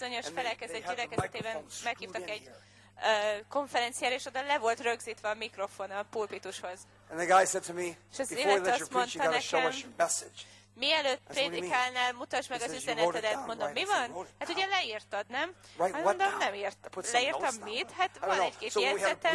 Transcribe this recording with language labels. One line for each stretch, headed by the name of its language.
Hungarian: Bizonyos felekezet gyülekezetében meghívtak egy konferenciára, és oda le volt rögzítve a mikrofon a pulpitushoz.
English: And the guy said to me, before that you preach, you got to show us your message.
Hungarian: Mielőtt prédikálnál, mutasd meg az üzenetedet, mondom, mi van? Hát ugye leírtad, nem?
English: Right,
Hungarian: hát mondom, nem írtam. Leírtam mit? Hát van egy-két jegyzetem.